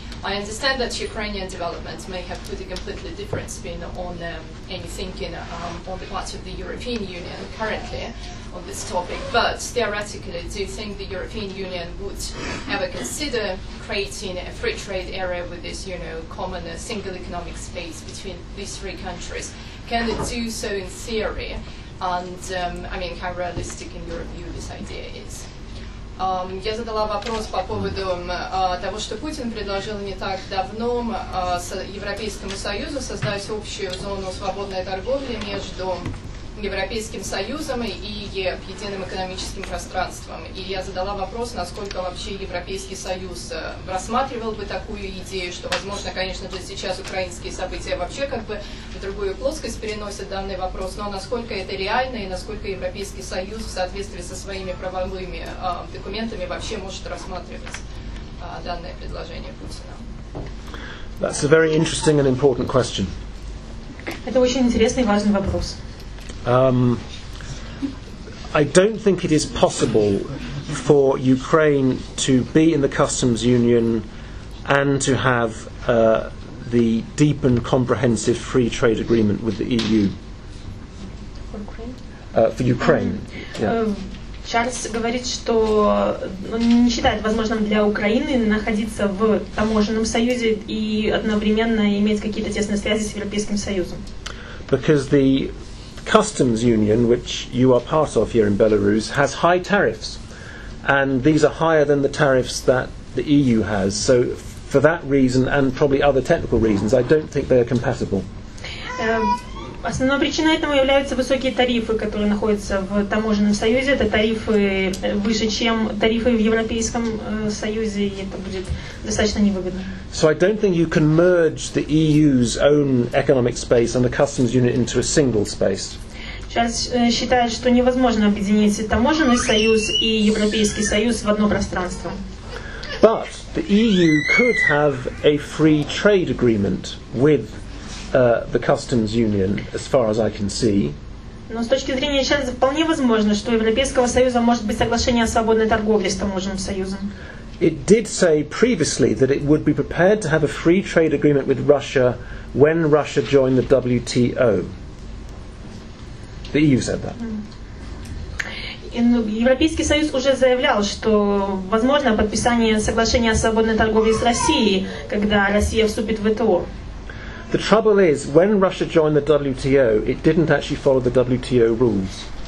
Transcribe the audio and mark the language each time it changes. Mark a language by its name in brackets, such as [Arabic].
[English] I understand that Ukrainian development may have put a completely different spin on any thinking on the part of the European Union currently on this topic, but theoretically, do you think the European Union would ever consider creating a free trade area with this, you know, common single economic space between these three countries? Can it do so in theory? And I mean, how realistic in your view this idea is? [Russian] Я задала вопрос по поводу того, что Путин предложил не так давно Европейскому Союзу создать общую зону свободной торговли между Европейским Союзом и ЕП, единым экономическим пространством. И я задала вопрос, насколько вообще Европейский Союз рассматривал бы такую идею, что, возможно, конечно же, сейчас украинские события вообще как бы в другую плоскость переносят данный вопрос, но насколько это реально и насколько Европейский Союз в соответствии со своими правовыми документами вообще может рассматривать данное предложение Путина? [English] That's a very interesting and important question. [Russian] Это очень интересный и важный вопрос. [English] I don't think it is possible for Ukraine to be in the customs union and to have the deep and comprehensive free trade agreement with the EU. For Ukraine? [Russian] Чарльз говорит, что он не считает возможным для Украины находиться в таможенном союзе и одновременно иметь какие-то тесные связи с Европейским Союзом. [English] Because the Customs Union, which you are part of here in Belarus, has high tariffs, and these are higher than the tariffs that the EU has. So, for that reason, and probably other technical reasons, I don't think they are compatible. [Russian] Основной причиной этому являются высокие тарифы, которые находятся в таможенном союзе. Это тарифы выше, чем тарифы в Европейском союзе, и это будет достаточно невыгодно. [English] So I don't think you can merge the EU's own economic space and the customs union into a single space. [Russian] Сейчас считают, что невозможно объединить таможенный союз и Европейский союз в одно пространство. [English] But the EU could have a free trade agreement with the customs union, as far as I can see. [Russian] Но с точки зрения Чарльза вполне возможно, что у Европейского союза может быть соглашение о свободной торговле с таможенным союзом. [English] It did say previously that it would be prepared to have a free trade agreement with Russia when Russia joined the WTO. The EU said that. [Russian] Европейский союз уже заявлял, что возможно подписание соглашения о свободной торговле с Россией, когда Россия вступит в ВТО. [English] The trouble is, when Russia joined the WTO, it didn't actually follow the WTO rules.